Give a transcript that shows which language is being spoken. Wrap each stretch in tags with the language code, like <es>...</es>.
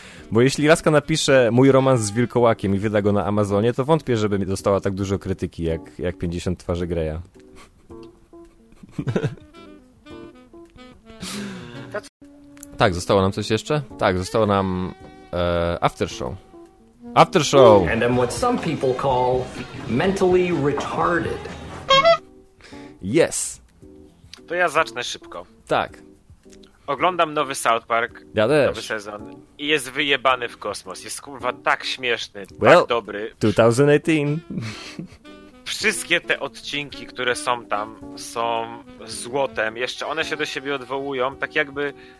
<pl>Bo jeśli Laska napisze mój romans z wilkołakiem i wyda go na Amazonie, to wątpię, żeby dostała tak dużo krytyki jak 50 twarzy Greya. Tak, zostało nam coś jeszcze? Tak, zostało nam aftershow. Aftershow!</pl> <en>And I'm what some people call mentally retarded. Yes.</en> <pl>to ja zacznę szybko. Tak. Oglądam nowy South Park. Ja też. Nowy sezon. I jest wyjebany w kosmos. Jest kurwa tak śmieszny, well, tak dobry. 2018. Wszystkie te odcinki, które są tam, są złotem. Jeszcze one się do siebie odwołują, tak jakby...</pl>